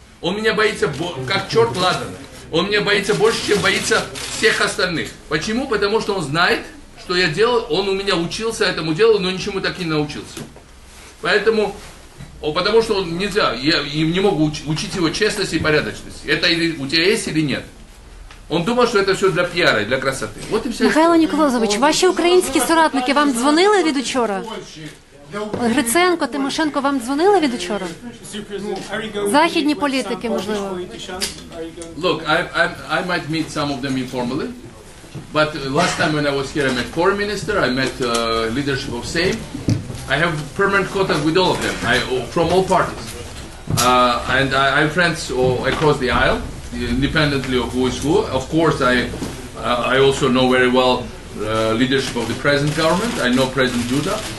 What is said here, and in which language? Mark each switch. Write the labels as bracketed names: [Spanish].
[Russian] Он меня боится, как черт ладана. Он меня боится больше, чем боится всех остальных. Почему? Потому что он знает, что я делал. Он у меня учился этому делу, но ничему так и не научился. Поэтому, потому что он нельзя, я им не могу учить его честности и порядочности. Это или у тебя есть или нет. Он думал, [Ukrainian] що це все для піара, для красоти. От і все. Михайло Ніколозович, ваші українські соратники вам дзвонили від учора? Гриценко, Тимошенко вам дзвонили від учора? Західні політики, можливо. [English] Look, I might meet some of them informally. But last time when I was here, I met foreign minister, I met leadership of Sejm. I have permanent contact with all of them. I from all parties. And I friends across the aisle. Independently of who is who, of course, I also know very well leadership of the present government. I know President Duda.